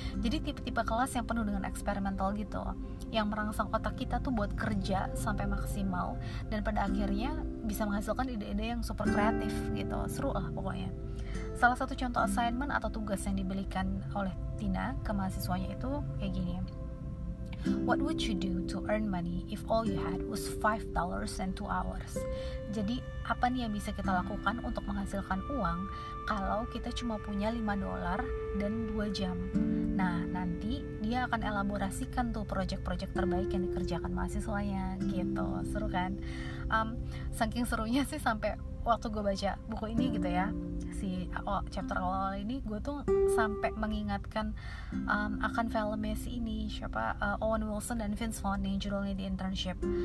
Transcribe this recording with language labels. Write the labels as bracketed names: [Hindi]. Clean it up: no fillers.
[Indonesian] Jadi tipe-tipe kelas yang penuh dengan eksperimental gitu, yang merangsang otak kita tuh buat kerja sampai maksimal dan pada akhirnya bisa menghasilkan ide-ide yang super kreatif gitu. Seru lah pokoknya. Salah satu contoh assignment atau tugas yang diberikan oleh Tina ke mahasiswanya itu kayak gini. [English] What would you do to earn money if all you had was $5 and 2 hours? [Indonesian] Jadi, apa nih yang bisa kita lakukan untuk menghasilkan uang kalau kita cuma punya $5 dan 2 jam? Nah, nanti dia akan elaborasikan tuh project-project terbaik yang dikerjakan mahasiswanya gitu. Seru kan? Saking serunya sih sampai waktu gue baca buku ini gitu ya, chapter awal ini gue tuh sampai mengingatkan akan filmnya si ini siapa, Owen Wilson dan Vince Vaughn yang judulnya The Internship.